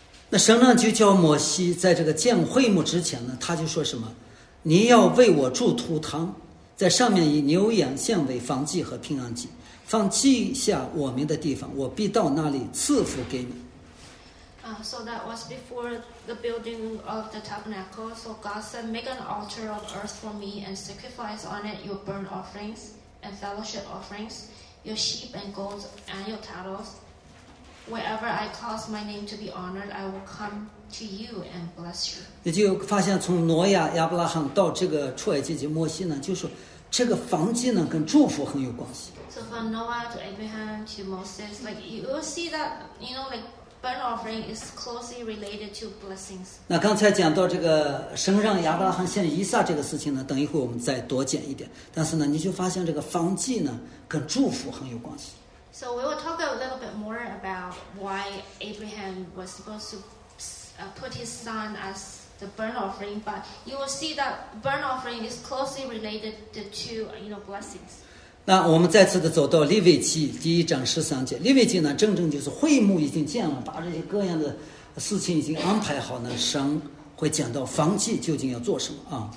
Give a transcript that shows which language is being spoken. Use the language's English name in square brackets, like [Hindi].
[Chinese] 那神呢就叫摩西在这个建会幕之前呢，他就说什么？你要为我筑图堂，在上面以牛羊献为燔祭和平安祭。放记下我名的地方，我必到那里赐福给你。 [English] So that was before the building of the tabernacle. So God said, "Make an altar of earth for me, and sacrifice on it your burnt offerings and fellowship offerings, your sheep and goats and your cattle. Wherever I cause my name to be honored, I will come to you and bless you." [Chinese] 你就发现，从挪亚、亚伯拉罕到这个出埃及记摩西呢，就是这个燔祭呢，跟祝福很有关系。 [English] So from Noah to Abraham to Moses, like you will see that, you know, like burnt offering is closely related to blessings. [Chinese] 那刚才讲到这个神让亚伯拉罕献以撒这个事情呢，等一会我们再多讲一点。但是呢，你就发现这个燔祭呢，跟祝福很有关系。 [English] So we will talk a little bit more about why Abraham was supposed to put his son as. The burnt offering, but you will see that burnt offering is closely related to, you know, blessings. [Chinese] 那我们再次的走到利未记第一章十三节。利未记呢，真正就是会幕已经建了，把这些各样的事情已经安排好呢，神会讲到燔祭究竟要做什么啊？